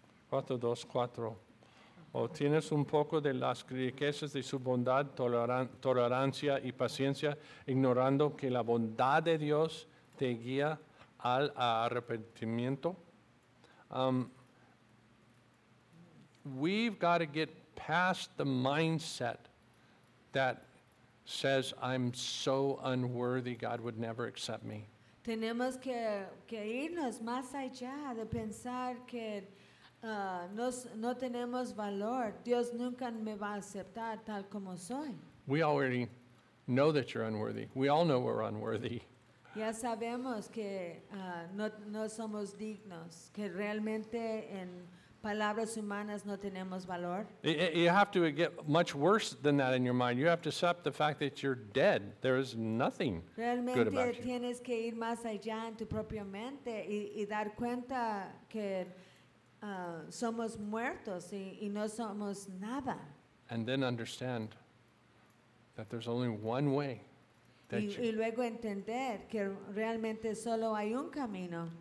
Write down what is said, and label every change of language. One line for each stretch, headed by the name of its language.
Spanish: 4:2-4, o tienes un poco de las riquezas de su bondad, tolerancia y paciencia, ignorando que la bondad de Dios te guía al arrepentimiento.
English: We've got to get past the mindset that says, I'm so unworthy, God would never accept me.
Spanish: Tenemos que irnos más allá de pensar que no tenemos valor. Dios nunca me va a aceptar tal como soy.
English: We already know that you're unworthy. We all know we're unworthy.
Spanish: Ya sabemos que no somos dignos, que realmente en palabras humanas no tenemos valor.
English: You have to get much worse than that in your mind. You have to accept the fact that you're dead. There is nothing
Spanish: realmente
English: good about you.
Spanish: Realmente tienes que ir más allá en tu propia mente y dar cuenta que somos muertos y no somos nada.
English: And then understand that there's only one way.
Spanish: Y luego entender que realmente solo hay un camino.